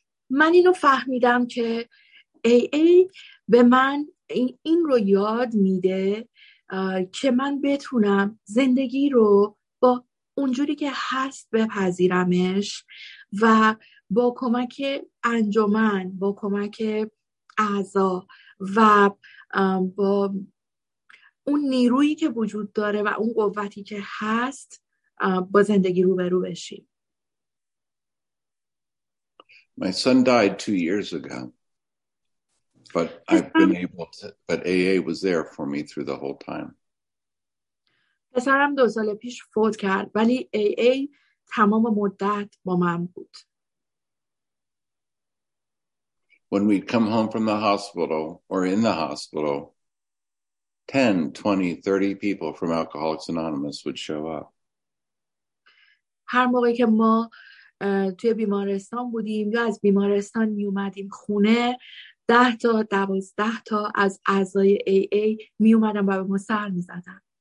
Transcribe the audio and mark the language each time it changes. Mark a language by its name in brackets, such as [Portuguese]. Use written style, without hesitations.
[Persian] من اینو فهمیدم که AA به من این رو یاد میده که من بتونم زندگی رو با اونجوری که هست بپذیرمش و با کمک انجمن، با کمک اعضا و با اون نیرویی که وجود داره و اون قوتی که هست با زندگی روبرو بشیم. [English] My son died 2 years ago, but I've been able to, but AA was there for me through the whole time. [Persian] پسرم 2 سال پیش فوت کرد ولی AA تمام مدت با من بود. [English] When we'd come home from the hospital or in the hospital, 10, 20, 30 people from Alcoholics Anonymous would show up. [Persian] هر موقعی که ما توی بیمارستان بودیم یا از بیمارستان می اومدیم خونه 10 تا 12 تا از اعضای AA می اومدن و به ما سر می زدن.